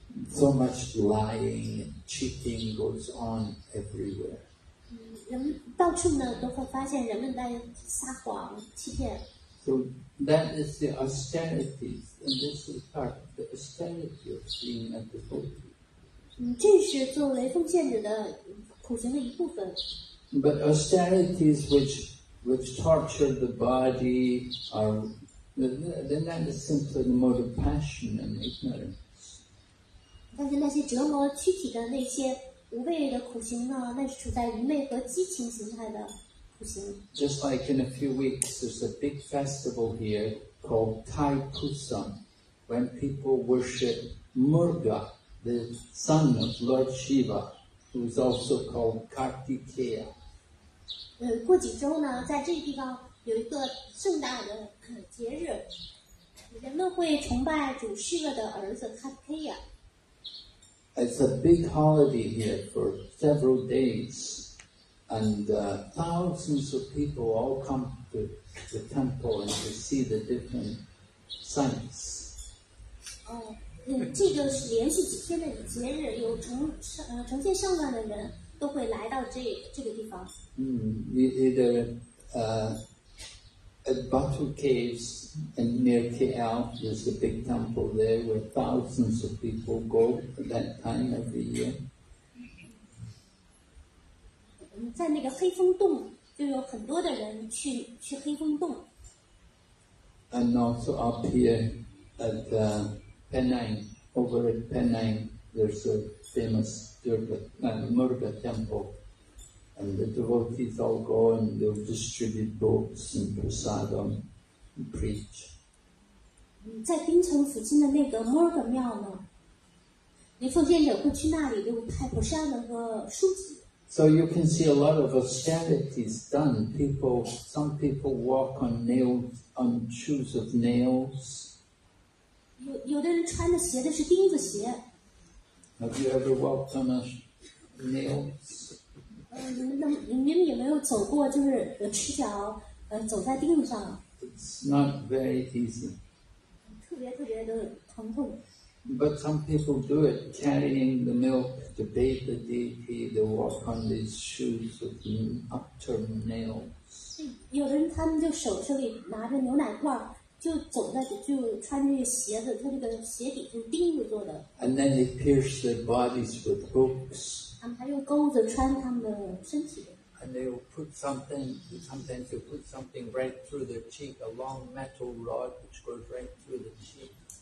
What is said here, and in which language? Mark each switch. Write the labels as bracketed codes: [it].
[en] So much lying and cheating goes on everywhere。 [zh] 人到处呢都会发现人们在撒谎欺骗。 [en] So that is the austerity, and this is part of the austerity of being a devotee. [zh] 这是作为奉献者的苦行的一部分。 [en] But austerities which torture the body are, then that is simply the mode of passion and ignorance. [zh] 但是那些折磨躯体的那些无谓的苦行呢，那是处在愚昧和激情形态的。 [en] Just like in a few weeks, there's a big festival here called Thai Pusam, when people worship Murga, the son of Lord Shiva, who is also called Kartikeya. [zh] 过几周呢，在这个地方有一个盛大的节日，人们会崇拜主 Shiva 的儿子 Kartikeya. [en] It's a big holiday here for several days. Thousands of people all come to the temple and to see the different sights. [zh] 这个是连续几天的节日，有成千上万的人都会来到这个地方。 [en] Either at Batu Caves and near KL, there's a big temple there where thousands of people go at that time every year. [zh] 在那个黑风洞就有很多的人去黑风洞。 [en] And also up here at Penang, over at Penang, there's a famous Murga temple. And the devotees all go and they'll distribute books and prasadam and preach. [zh] 在槟城附近的那个 Murga 庙呢，你奉献者会去那里就派prasadam和书籍。 [en] So you can see a lot of austerities done. Some people walk on shoes of nails. [zh] 有的人穿的鞋的是钉子鞋。 [en] Have you ever walked on a nail? [zh] 你们有没有走过就是赤脚走在钉子上？ [en] It's not very easy. [zh] 特别的疼痛。 [en] But some people do it, carrying the milk to bathe the deity, they walk on these shoes with upturned nails. [zh] 有的人他们就手里拿着牛奶罐，就穿着鞋子，他这个鞋底是钉子做的。 [en] And then they pierce their bodies with hooks. [zh] 他们还用钩子穿他们的身体。 [en] And they will put something, sometimes they put something right through their cheek, a long metal rod which goes right through the cheek.